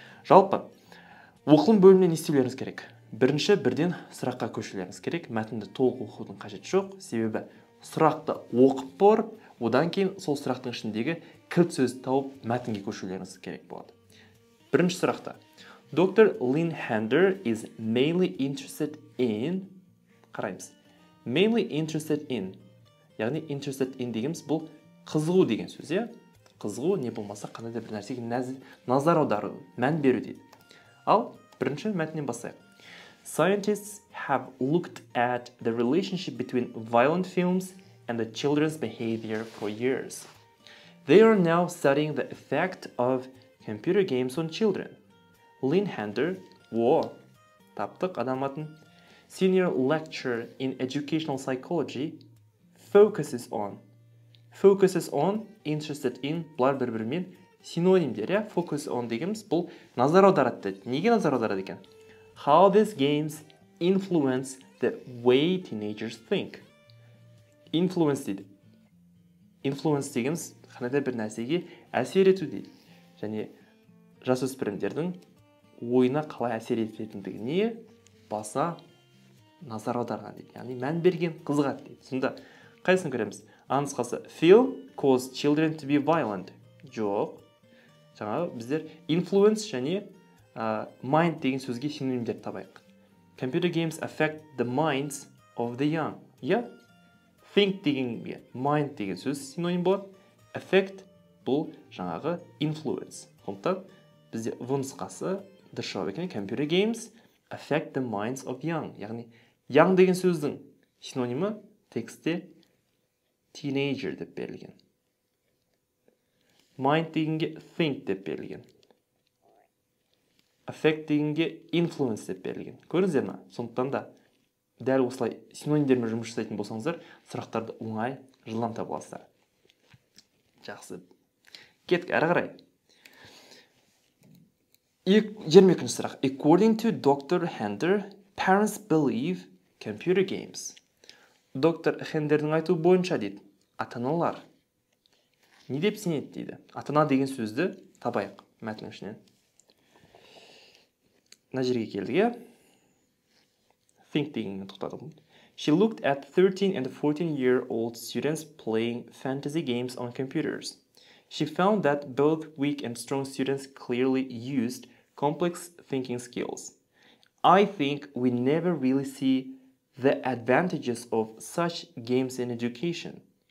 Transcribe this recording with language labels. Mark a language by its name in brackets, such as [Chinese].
[Kazakh] Жалпы оқылым бөлімінен не істеулеріңіз керек? Бірінші, бірден сұраққа көшулеріңіз керек. Мәтінді толық оқудың қажеті жоқ, себебі сұрақты оқып барып, одан кейін сол сұрақтың ішіндегі кілт сөзді тауып мәтінге көшулеріңіз керек болады. Бірінші сұрақта. Dr. [English] Lynn Hander is mainly interested in... [Kazakh] Қараймыз. [English] Mainly interested in. [Kazakh] Яғни interested in дегеніміз бұл қызығу деген сөз, е? Қызығу не болмаса қандай да бір нәрсеге назар аудару, мән беру дейді. Ал бірінші мәтіннен бастайық. [English] Scientists have looked at the relationship between violent films and the children's behavior for years. They are now studying the effect of computer games on children. Lynn Hander, [Kazakh] таптық адам атын, [English] senior lecturer in educational psychology, focuses on, interested in, [Kazakh] бұлар бір-бірімен, синонимдер, ә? Focus on дегеніміз, бұл назар аударады дейді. Неге назар аударады екен? [English] How these games influence the way teenagers think. [Kazakh] Influence дейді. Influence дегеніміз, қандай бір нәрсеге әсер ету дейді. Және жасөспірімдердің ойына қалай әсер ететіндігіне баса назар аударған дейді. Яғни мән берген қызығады дейді. Сонда қайсын көреміз? Анысқасы, [English] film caused children to be violent. [Kazakh] Жоқ. Жаңа біздер influence және mind деген сөзге синонимдер табайық. [English] Computer games affect the minds of the young. [Kazakh] Think деген mind деген сөз синоним болады. Affect бұл жаңағы influence. Сондықтан бізде вонысқасы дұрыс жауап екен. [English] Computer games affect the minds of young. [Kazakh] Яғни young деген сөздің синонимі текстте teenager деп берілген. Mind дегенге think деп берілген. Affect дегенге influence деп берілген. Көріңіздер ма? Сондықтан да дәл осылай синонимдермен жұмыс жасайтын болсаңыздар, сұрақтарды оңай жылдам табасыздар. Жақсы. Кеттік әрі қарай. 22-ші сұрақ. [English] According to Dr. Hander, parents believe computer games. Dr. [Kazakh] Hander-дің айтуы бойынша дейді. Ата-аналар. Не деп сенеді дейді? Атана деген сөзді табайық мәтін ішінен. Мына жерге келдік, е? Think дегенге тоқтадық. [English] She looked at 13 and 14-year-old students playing fantasy games on computers. She found that both weak and strong students clearly used complex thinking skills. I think we never really see the advantages of such games in education.